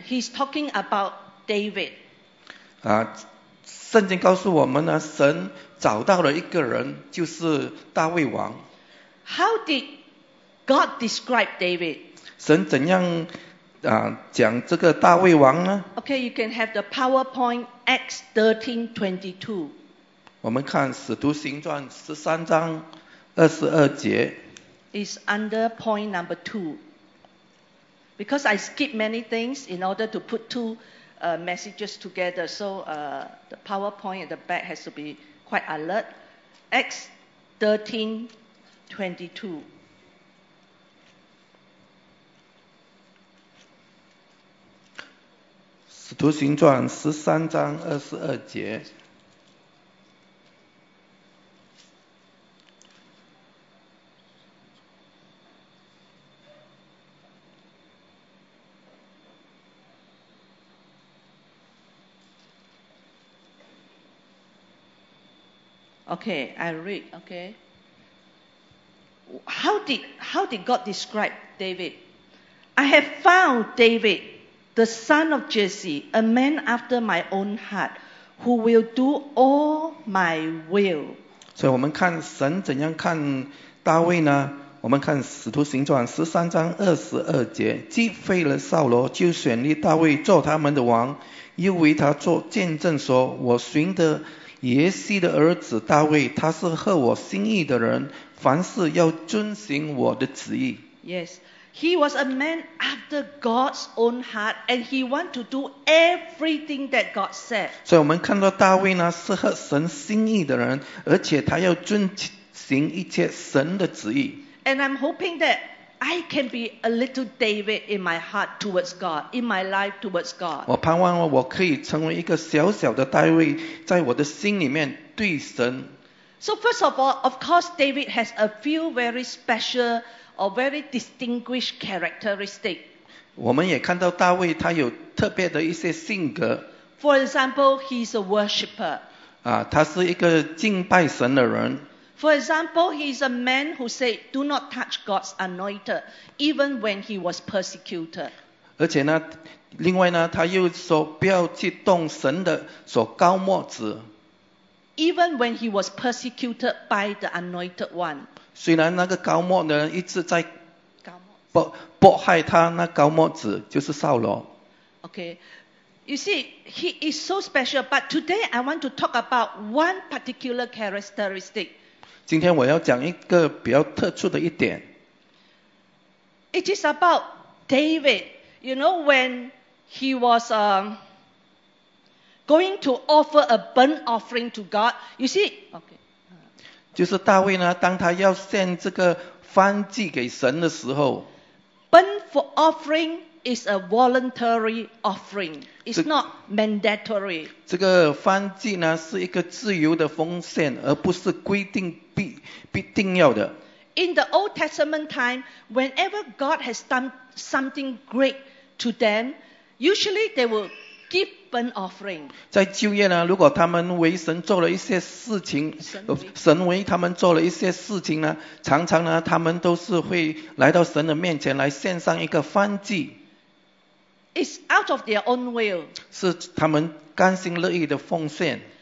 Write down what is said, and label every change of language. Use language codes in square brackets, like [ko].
[en] He's talking about David. [zh] 啊，圣经告诉我们呢，神找到了一个人，就是大卫王。 [en] How did God describe David? [zh] 神怎样？啊、讲这个大卫王呢 [en] Okay, you can have the PowerPoint Acts 13:22. [zh] 我们看使徒行传十三章二十二节 [en] It's under point number two. Because I skipped many things in order to put two messages together, so the PowerPoint at the back has to be quite alert. Acts 13:22. [zh] 使徒行传十三章二十二节。 [en] Okay, I read. Okay. How did God describe David? I have found David. The son of Jesse, a man after my own heart, who will do all my will. [zh] 所以我们看神怎样看大卫呢？我们看使徒行传十三章二十二节，既废了扫罗，就选立大卫做他们的王，又为他做见证说，我寻得耶西的儿子大卫，他是合我心意的人，凡事要遵行我的旨意。 [en] Yes. He was a man after God's own heart, and he wanted to do everything that God said. [zh] 所以我们看到大卫呢是合神心意的人，而且他要遵行一切神的旨意。 [en] And I'm hoping that I can be a little David in my heart towards God, in my life towards God. [zh] 我盼望我可以成为一个小小的大卫，在我的心里面对神。 [en] So first of all, of course, David has a few very special. Or very distinguished characteristic. [zh] 我们也看到大卫他有特别的一些性格。 [en] For example, he's a worshipper. [zh] 啊，他是一个敬拜神的人。 [en] For example, he's a man who said, "Do not touch God's anointed," even when he was persecuted. [zh] 而且呢，另外呢，他又说不要去动神的所膏抹子。 [en] Even when he was persecuted by the anointed one. [zh] 虽然那个高莫的人一直在迫害他，那高莫子就是扫罗。 [en] Okay, you see, he is so special. But today I want to talk about one particular characteristic. [zh] 今天我要讲一个比较特殊的一点。 [en] It is about David. You know, when he was going to offer a burnt offering to God. You see, okay. [zh] 就是大卫呢，当他要献这个燔祭给神的时候， [en] burnt for offering is a voluntary offering. It's not mandatory. [zh] 这个燔祭呢，是一个自由的奉献，而不是规定必定要的。 [en] In the Old Testament time, whenever God has done something great to them, usually they will give burnt offering. [zh] 在旧约呢，如果他们为神做了一些事情，神为他们做了一些事情呢，常常呢，他们都是会来到神的面前来献上一个燔祭。 [en] It's out of their own will. [zh] 是他们甘心乐意的奉献。